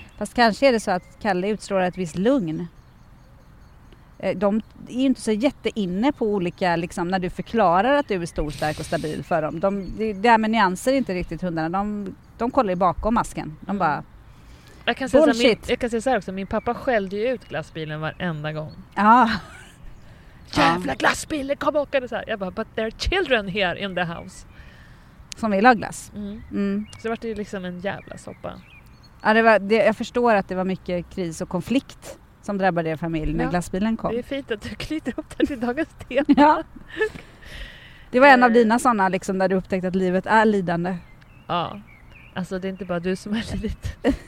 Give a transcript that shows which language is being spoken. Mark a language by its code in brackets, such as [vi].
[sv] Fast kanske är det så att Kalle utstrålar ett visst lugn. De är ju inte så jätteinne på olika, liksom, när du förklarar att du är stor, stark och stabil för dem. De, det här med nyanser är inte riktigt hundarna. De kollar ju bakom masken. De bara, jag kan säga bullshit. Jag kan säga så här också, min pappa skällde ju ut glassbilen varenda gång. Ja. Jävla glassbil, det kom och åkade så här. Jag bara, [en] but there are children here in the house. [sv] Som vill ha glass. Mm. Mm. Så det var ju liksom en jävla soppa. Ja, det var, jag förstår att det var mycket kris och konflikt som drabbade er familj när glassbilen kom. Det är fint att du knyter upp det till dagens tema. Ja. Det var en av dina sådana liksom, där du upptäckte att livet är lidande. Ja, alltså det är inte bara du som är lidit.